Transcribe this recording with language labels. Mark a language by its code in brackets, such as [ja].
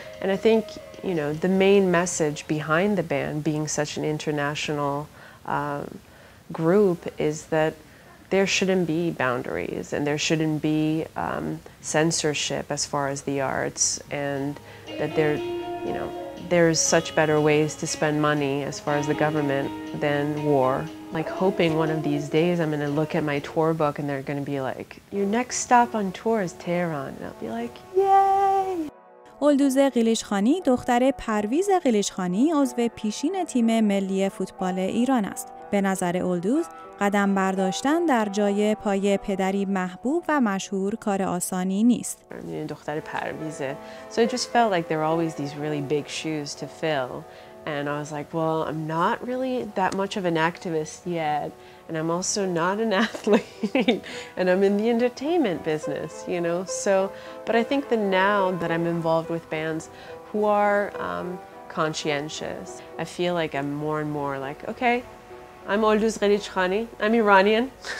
[en] And I think, you know, the main message behind the band being such an international group is that there shouldn't be boundaries and there shouldn't be censorship as far as the arts, and that there, you know, there's such better ways to spend money as far as the government than war like hoping one of these days I'm gonna look at my tour book and they're gonna be like, your next stop on tour is Tehran. And I'll be like, yay! [fa] اولدوز قلیچخانی دختر پرویز قلیچخانی عضو پیشین تیم ملی فوتبال ایران است. به نظر اولدوز، قدم برداشتن در جای پای پدری محبوب و مشهور کار آسانی نیست. دختر پرویزه. [en] So it just felt like there were always these really big shoes to fill. And I was like, well, I'm not really that much of an activist yet. And I'm also not an athlete. And I'm in the entertainment business, you know? So, but I think that now that I'm involved with bands who are conscientious, I feel like I'm more and more like, okay, I'm Olduz Qelichxani. I'm Iranian.